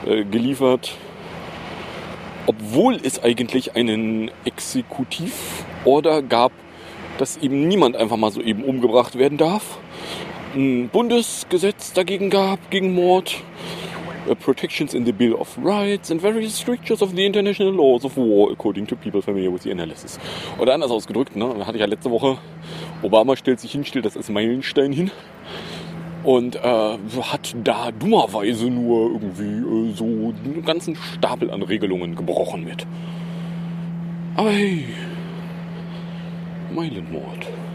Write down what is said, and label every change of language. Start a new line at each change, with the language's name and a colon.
German: Geliefert, obwohl es eigentlich einen Exekutivorder gab, dass eben niemand einfach mal so eben umgebracht werden darf, ein Bundesgesetz dagegen gab, gegen Mord,
English: protections in the Bill of Rights and various strictures of the international laws of war, according to people familiar with the analysis.
German: Oder anders ausgedrückt, ne, hatte ich ja letzte Woche, Obama stellt sich hin, stellt das als Meilenstein hin und hat da dummerweise nur irgendwie so einen ganzen Stapel an Regelungen gebrochen mit. Aber hey, Meilenmord.